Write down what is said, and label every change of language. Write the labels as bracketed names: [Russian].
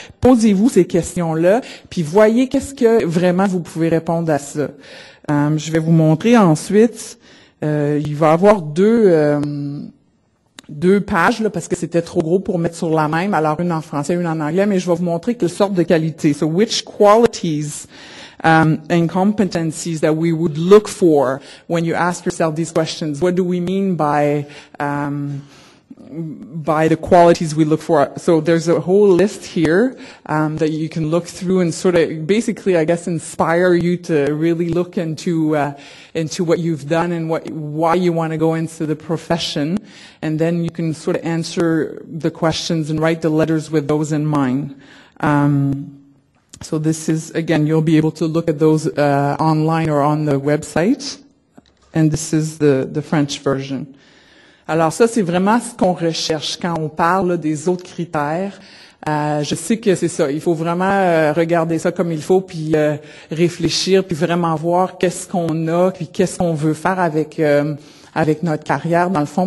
[French] Posez-vous ces questions-là, puis voyez qu'est-ce que vraiment vous pouvez répondre à ça. Je vais vous montrer ensuite. Il va y avoir deux pages, là, parce que c'était trop gros pour mettre sur la même, alors une en français, une en anglais, mais je vais vous montrer quelle sorte de qualité. [English] So, which qualities and competencies that we would look for when you ask yourself these questions? What do we mean by the qualities we look for? So there's a whole list here that you can look through and sort of basically, I guess, inspire you to really look into what you've done and why you want to go into the profession. And then you can sort of answer the questions and write the letters with those in mind. So this is, again, you'll be able to look at those online or on the website. And this is the French version. [French] Alors ça, c'est vraiment ce qu'on recherche quand on parle là, des autres critères. Je sais que c'est ça. Il faut vraiment regarder ça comme il faut, puis réfléchir, puis vraiment voir qu'est-ce qu'on a, puis qu'est-ce qu'on veut faire avec notre carrière, dans le fond.